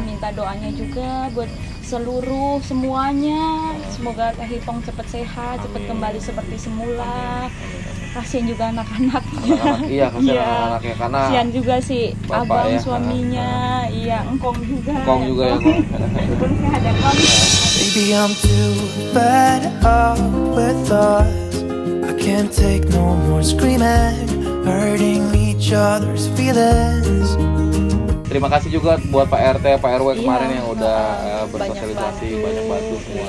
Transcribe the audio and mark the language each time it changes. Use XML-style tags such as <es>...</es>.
<id>Minta doanya juga buat seluruh semuanya, semoga Tetipong cepat sehat, cepat kembali seperti semula. Kasian juga anak-anaknya. Iya, kasian anak-anaknya karena kasian juga sih abang ya, suaminya, iya engkong juga. Engkong juga ya. Belum sehat ya, Kong.</id> <en>Baby, I'm too fed up with thoughts. I can't take no more screaming, hurting each other's feelings.</en> <id>Terima kasih juga buat Pak RT, Pak RW kemarin yang udah berfasilitasi banyak bantu semuanya.</id>